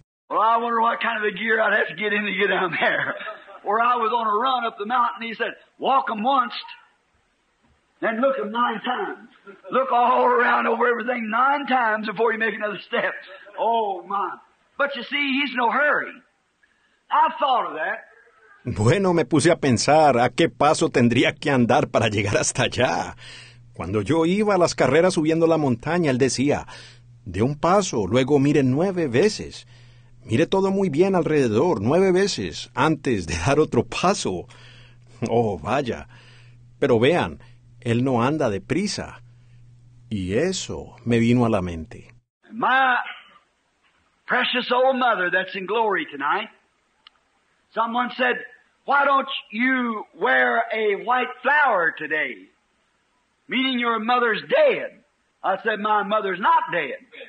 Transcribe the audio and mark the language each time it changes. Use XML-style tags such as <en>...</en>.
<en>Well, I wonder what kind of a gear I'd have to get down there. Where I was on a run up the mountain, he said, walk 'em once, then look 'em 9 times. Look all around over everything 9 times before you make another step. Oh, my. But you see, he's no hurry. I thought of that.</en> <es>Bueno, me puse a pensar a qué paso tendría que andar para llegar hasta allá. Cuando yo iba a las carreras subiendo la montaña, él decía, de un paso, luego mire 9 veces. Mire todo muy bien alrededor, 9 veces, antes de dar otro paso. Oh, vaya. Pero vean, él no anda deprisa. Y eso me vino a la mente.</es> <en>Precious old mother that's in glory tonight. Someone said, why don't you wear a white flower today? Meaning your mother's dead. I said, my mother's not dead.</en>